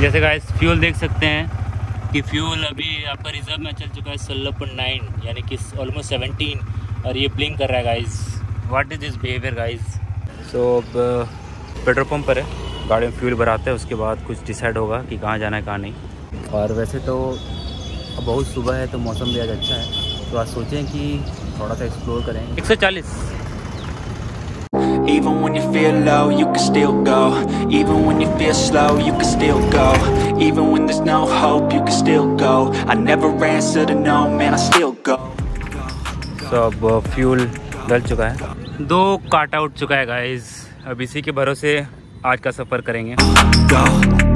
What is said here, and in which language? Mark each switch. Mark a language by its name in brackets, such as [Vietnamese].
[Hindi] जैसे guys fuel देख सकते हैं कि फ्यूल अभी आपका रिजर्व में चल चुका है 16.9, यानी कि ऑलमोस्ट 17, और ये ब्लिंक कर रहा है guys. [English] What is this behaviour guys. [Hindi] सो अब पेट्रोल पंप पर है, गाड़ी में फ्यूल भराते हैं, उसके बाद कुछ डिसाइड होगा कि कहाँ जाना है कहाँ नहीं। और वैसे तो अब बहुत सुबह है तो मौसम भी आज अच्छा है, तो आज सोचें कि थोड़ा सा एक्सप्लोर करें। [English] 140 Even when you feel low, you can still go. Even when you feel slow, you can still go. Even when there's no hope, you can still go. I never answer to no, man, I still go. [Hindi] So, fuel डल चुका है, दो काट out चुका है guys. अब इसी के भरोसे आज का सफर करेंगे।